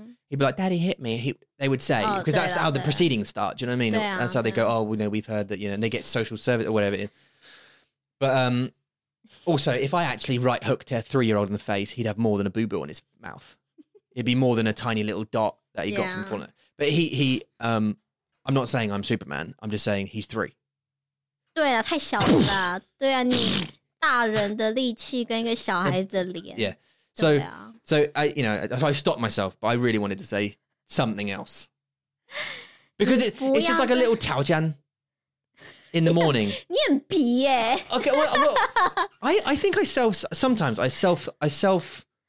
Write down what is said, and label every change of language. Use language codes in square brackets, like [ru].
[en] He'd be like, "Daddy hit me." They would say, because that's how the proceedings start. Do you know what I mean? That's how they go, "Oh, you know, we've heard that," you know, and they get social service or whatever. But also, if I actually right hooked a 3-year-old in the face, he'd have more than a boo-boo on his mouth. It'd be more than a tiny little dot that he got from falling. But he, I'm not saying I'm Superman. I'm just saying he's 3. [zh] 对啊，太小了。对啊，你大人的力气跟一个小孩子的脸。 [en] Yeah. So, I stopped myself, but I really wanted to say something else. Because it's just like a little taojian in the morning. [zh] 你很皮耶。 [en] Okay, well, I think I self, sometimes I self...